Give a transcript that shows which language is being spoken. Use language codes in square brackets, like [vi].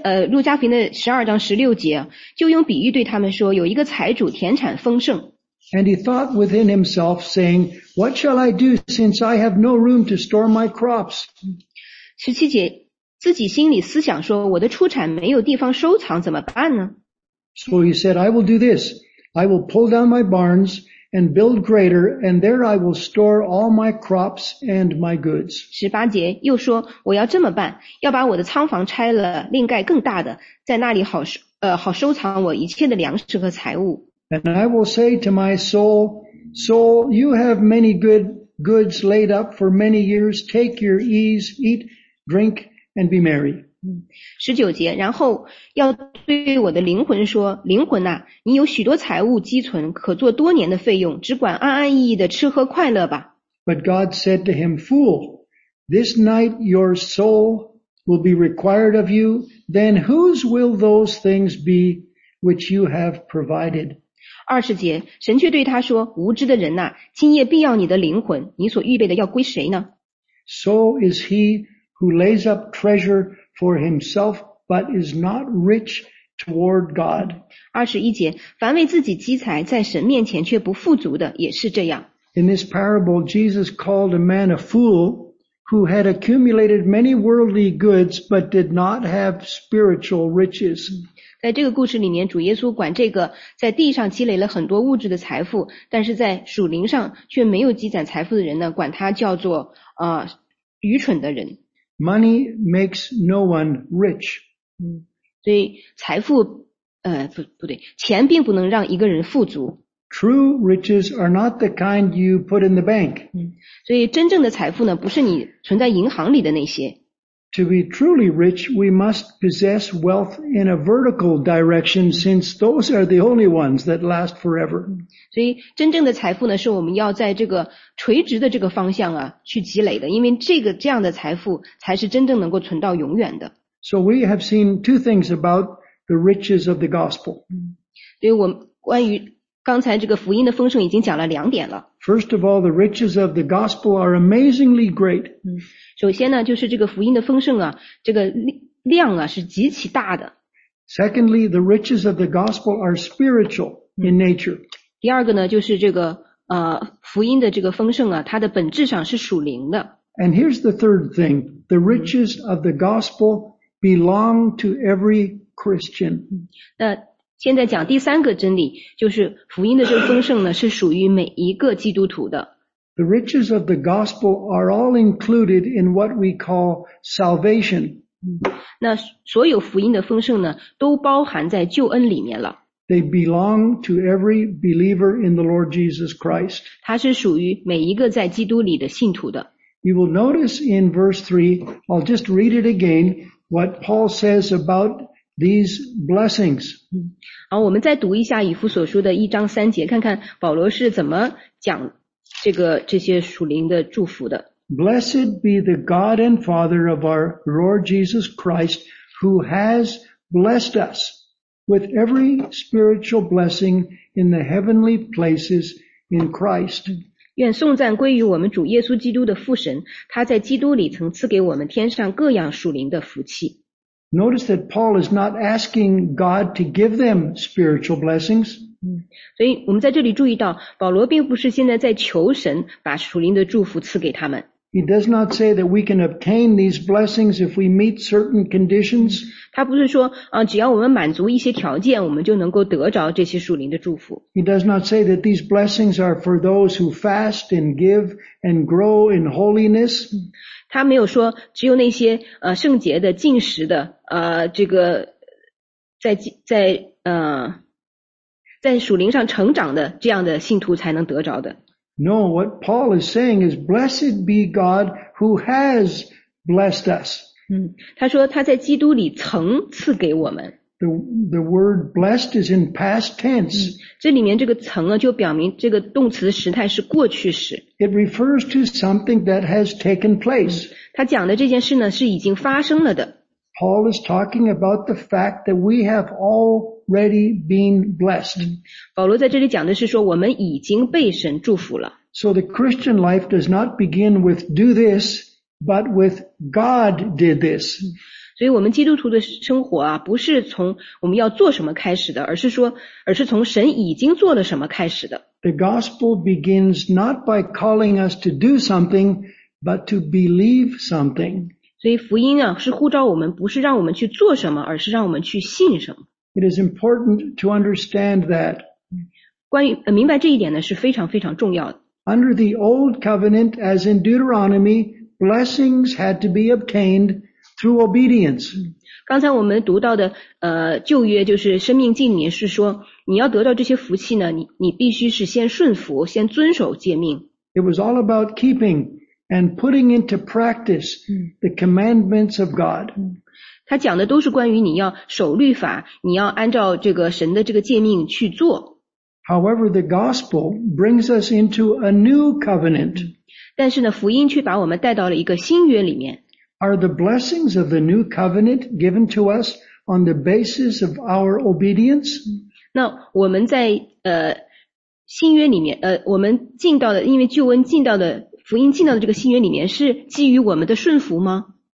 [zh] 路加福音的12章16节，就用比喻对他们说，有一个财主田产丰盛。 [en] And he thought within himself, saying, What shall I do since I have no room to store my crops? [zh] 十七节，自己心里思想说，我的出产没有地方收藏，怎么办呢？ [en] So he said, I will do this. I will pull down my barns and build greater, and there I will store all my crops and my goods. [zh] 十八节，又说，我要这么办，要把我的仓房拆了，另盖更大的，在那里好收藏我一切的粮食和财物。 [en] And I will say to my soul, Soul, you have many good goods laid up for many years. Take your ease, eat. Drink and be merry. [zh] 十九节，然后要对我的灵魂说，灵魂啊，你有许多财物积存，可做多年的费用，只管安安逸逸的吃喝快乐吧。 [en] But God said to him, Fool, this night your soul will be required of you, then whose will those things be which you have provided? [zh] 二十节，神却对他说，无知的人啊，今夜必要你的灵魂，你所预备的要归谁呢？ [en] So is he,who lays up treasure for himself, but is not rich toward God. [zh] 21节，凡为自己积财，在神面前却不富足的，也是这样。 [en] In this parable, Jesus called a man a fool who had accumulated many worldly goods, but did not have spiritual riches. [zh] 在这个故事里面，主耶稣管这个在地上积累了很多物质的财富，但是在属灵上却没有积攒财富的人呢，管他叫做愚蠢的人。 [en] Money makes no one rich. [zh] 所以财富不对，钱并不能让一个人富足。 [en] True riches are not the kind you put in the bank. [zh] 所以真正的财富呢，不是你存在银行里的那些。 [en] To be truly rich, we must possess wealth in a vertical direction, since those are the only ones that last forever. [zh] 所以真正的财富呢，是我们要在这个垂直的这个方向啊去积累的，因为这样的财富才是真正能够存到永远的。 [en] So we have seen two things about the riches of the gospel. [zh] 所以我关于刚才这个福音的丰盛已经讲了两点了。 [en] First of all, the riches of the gospel are amazingly great. [zh] 首先呢，就是这个福音的丰盛啊，这个量啊是极其大的。 [en] Secondly, the riches of the gospel are spiritual in nature. [zh] 第二个呢，就是这个福音的这个丰盛啊，它的本质上是属灵的。 [en] And here's the third thing: the riches of the gospel belong to every Christian. [zh] 那现在讲第三个真理，就是福音的这个丰盛呢，是属于每一个基督徒的。 [en] The riches of the gospel are all included in what we call salvation. [zh] 那所有福音的丰盛呢，都包含在救恩里面了。 [en] They belong to every believer in the Lord Jesus Christ. [zh] 它是属于每一个在基督里的信徒的。 [en] You will notice in verse 3, I'll just read it again, what Paul says about these blessings. [zh] 好，我们再读一下以弗所书的一章三节，看看保罗是怎么讲这些属灵的祝福的。 [en] Blessed be the God and Father of our Lord Jesus Christ, who has blessed us with every spiritual blessing in the heavenly places in Christ. [zh] 愿颂赞归于我们主耶稣基督的父神，他在基督里曾赐给我们天上各样属灵的福气。 [en] Notice that Paul is not asking God to give them spiritual blessings. [zh] 所以我们在这里注意到，保罗并不是现在在求神把属灵的祝福赐给他们。 [en] He does not say that we can obtain these blessings if we meet certain conditions. [zh] 他不是说只要我们满足一些条件，我们就能够得着这些属灵的祝福。 [en] He does not say that these blessings are for those who fast and give and grow in holiness. [zh] 他没有说只有那些圣洁的、禁食的、这个在属灵上成长的这样的信徒才能得着的。 [en] No, what Paul is saying is, blessed be God who has blessed us. [zh] 他说他在基督里曾赐给我们。 [en] The word blessed is in past tense. [zh] 这里面这个曾啊，就表明这个动词时态是过去时。 [en] It refers to something that has taken place. [zh] 他讲的这件事呢，是已经发生了的。 [en] Paul is talking about the fact that we have already been blessed. [zh] 保罗在这里讲的是说我们已经被神祝福了。 [en] So the Christian life does not begin with do this, but with God did this. [zh] 所以我们基督徒的生活啊，不是从我们要做什么开始的，而是从神已经做了什么开始的。 [en] The gospel begins not by calling us to do something, but to believe something. [zh] 所以福音啊，是呼召我们，不是让我们去做什么，而是让我们去信什么。 [en] It is important to understand that. [zh] 关于明白这一点呢，是非常非常重要的。 [en] Under the old covenant, as in Deuteronomy, blessings had to be obtained through obedience. [zh] 刚才我们读到的旧约就是《申命记》里面是说，你要得到这些福气呢，你必须是先顺服，先遵守诫命。 [en] It was all about keeping. And putting into practice the commandments of God. [zh] 他讲的都是关于你要守律法，你要按照这个神的这个诫命去做。 [en] However, the gospel brings us into a new covenant. [zh] 但是呢，福音却把我们带到了一个新约里面。 [en] Are the blessings of the new covenant given to us on the basis of our obedience? [zh] 那我们在新约里面我们进到的，因为旧恩进到的。福音进到的这个新约里面是基于我们的顺服吗